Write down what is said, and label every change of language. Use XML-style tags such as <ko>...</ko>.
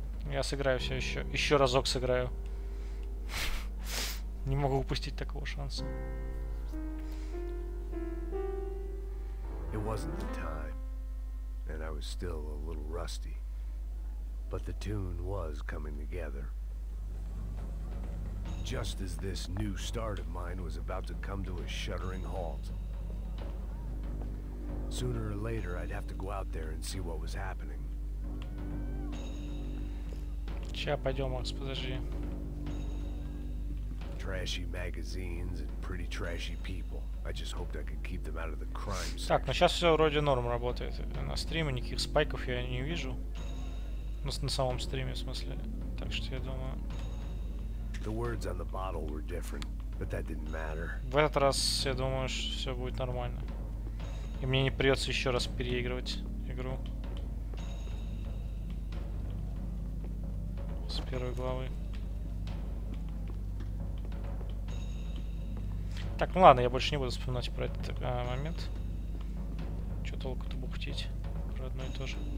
<ru>Я сыграю все еще. Еще разок сыграю. Не могу упустить такого шанса.</ru> <en>It wasn't the time, and I was still a little rusty, but the tune was coming together. Just as this new start of mine was about to come to a shuddering halt. Sooner or later, I'd have to go out there and see what was happening.</en> <ru>Сейчас пойдем, Макс, подожди.</ru> <en>Trashy magazines and pretty trashy people. I just hoped I could keep them out of the crime scene.</en> <ru>Так, ну сейчас все вроде норм работает. На стриме никаких спайков я не вижу. Ну, на самом стриме, в смысле. Так что я думаю...</ru> <en>The words on the bottle were different, but that didn't matter.</en> <ru>В этот раз, я думаю, что все будет нормально. И мне не придется еще раз переигрывать игру. С первой главы. Так, ну ладно, я больше не буду вспоминать про этот момент. Чё толку-то бухтить про одно и то же.</ru>